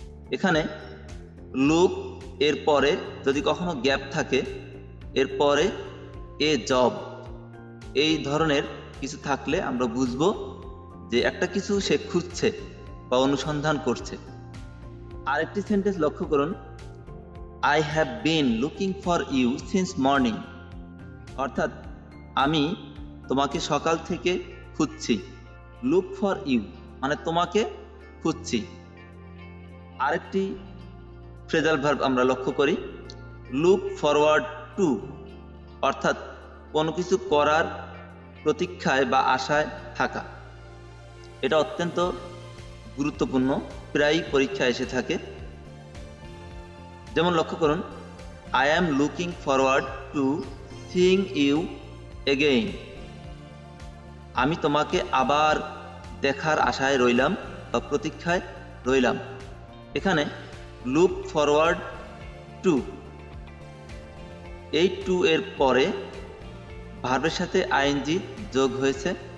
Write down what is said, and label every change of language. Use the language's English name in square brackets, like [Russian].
[Bangla] এখানে লুক এর পরে যদি কখনো গ্যাপ থাকে, এর পরে এ জব, এই ধরনের কিছু থাকলে আমরা বুঝব যে একটা কিছু সে খুঁজছে বা অনুসন্ধান করছে। আরেকটি সেন্টেন্স লক্ষ্য করুন, [English] I have been looking for you since morning. [Bangla] অর্থাৎ আমি তোমাকে সকাল থেকে খুঁজছি. [English] Look for you [Bangla] মানে তোমাকে খুঁজছি. আরেকটি ফ্রেজাল ভার্ব আমরা লক্ষ্য করি, [English] look forward to, [Bangla] অর্থাৎ কোনো কিছু করার প্রতীক্ষায় বা আশায় থাকা. এটা অত্যন্ত গুরুত্বপূর্ণ, প্রায়ই পরীক্ষা এসে থাকে. যেমন লক্ষ্য করুন, [English] I am looking forward to seeing you again. [Bangla] আমি তোমাকে আবার দেখার আশায় রইলাম বা প্রতীক্ষায় রইলাম. এখানে [English] look forward to, [Bangla] এই টু এর পরে ভার্বের সাথে আইএনজি যোগ হয়েছে.